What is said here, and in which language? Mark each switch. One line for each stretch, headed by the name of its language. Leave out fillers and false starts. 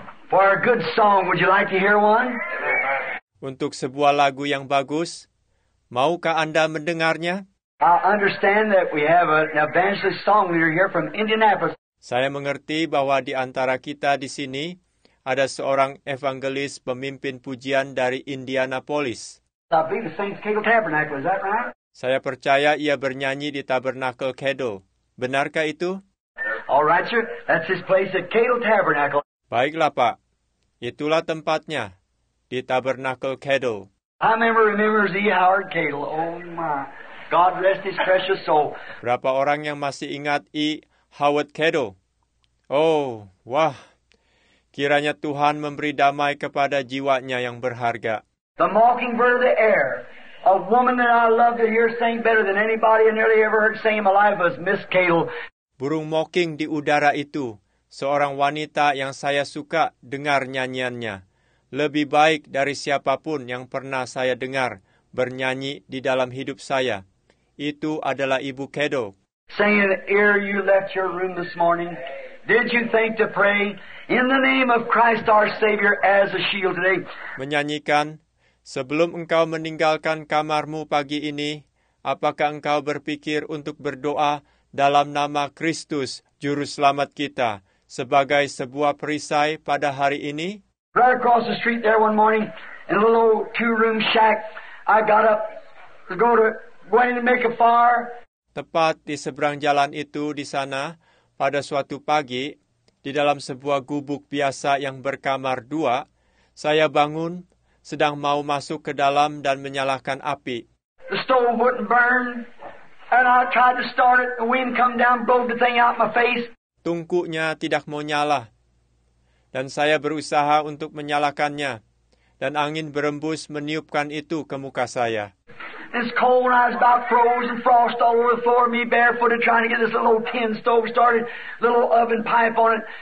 English: For a good song, would you like to hear one?
Indonesian: Untuk sebuah lagu yang bagus, maukah Anda mendengarnya?
English: I understand that we have an evangelist song leader here from Indianapolis.
Indonesian: Saya mengerti bahwa di antara kita di sini ada seorang evangelis pemimpin pujian dari Indianapolis.
English: I believe the Saints Cato Tabernacle, is that right?
Indonesian: Saya percaya ia bernyanyi di Tabernacle Cato. Benarkah itu?
English: All right, sir. That's his place at Cato Tabernacle.
Indonesian: Baiklah, Pak. Itulah tempatnya, di Tabernacle Cato.
English: I remember Z. Howard Cato. Oh, my. God rest his precious soul.
Indonesian: Berapa orang yang masih ingat E. Howard Cato? Oh, wah. Kiranya Tuhan memberi damai kepada jiwanya yang berharga.
English: The mockingbird of the air. A woman that I love to hear sing better than anybody I nearly ever heard sing alive was Miss Cato.
Indonesian: Burung mocking di udara itu. Seorang wanita yang saya suka dengar nyanyiannya. Lebih baik dari siapapun yang pernah saya dengar bernyanyi di dalam hidup saya. Itu adalah Ibu Cato.
English: Saying, ere you left your room this morning, did you think to pray in the name of Christ our Savior as a shield today?
Indonesian: Menyanyikan, sebelum engkau meninggalkan kamarmu pagi ini, apakah engkau berpikir untuk berdoa dalam nama Kristus, Juru Selamat kita, sebagai sebuah perisai pada hari ini?
English: Right across the street there one morning, in a little two-room shack, I got up to go in and make a fire.
Indonesian: Tepat di seberang jalan itu di sana, pada suatu pagi, di dalam sebuah gubuk biasa yang berkamar dua, saya bangun, sedang mau masuk ke dalam dan menyalakan api.
English: The stove wouldn't burn, and I tried to start it, the wind come down, blew the thing out my face.
Indonesian: Tungkunya tidak mau nyala, dan saya berusaha untuk menyalakannya, dan angin berembus meniupkan itu ke muka saya.
English: It's cold and I was about frozen, frost all over the floor, me barefooted trying to get this little tin stove started, little oven pipe on it.